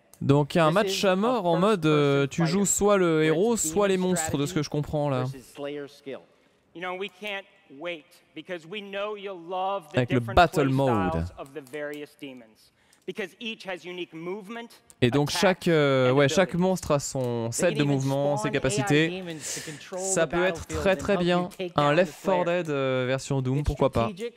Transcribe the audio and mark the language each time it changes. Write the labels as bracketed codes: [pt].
[fr] Donc un match à mort en mode tu joues soit le héros soit les monstres de ce que je comprends là. [en] You know, we can't wait because we know you'll love the [fr] avec le battle mode [en] of the various demons because each has unique movement. [fr] Et donc chaque monstre a son set de mouvement, ses capacités. Ça peut être très très bien un Left 4 Dead version Doom, pourquoi pas.